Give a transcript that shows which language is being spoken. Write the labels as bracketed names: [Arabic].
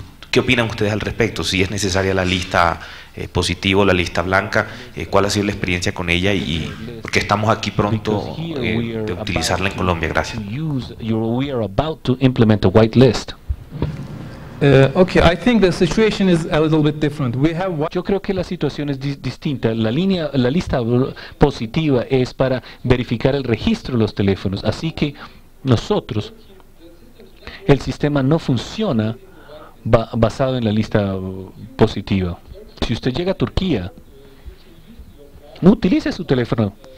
[Spanish] qué opinan ustedes al respecto, si es necesaria la lista positiva o la lista blanca, cuál ha sido la experiencia con ella y porque estamos aquí pronto de utilizarla en Colombia. Gracias. [English] We are about to implement a white list. Okay, I think the situation is a little bit different. We have one. [Spanish] Yo creo que la situación es distinta. La lista positiva es para verificar el registro de los teléfonos. Así que nosotros, el sistema no funciona basado en la lista positiva. Si usted llega a Turquía, no utilice su teléfono.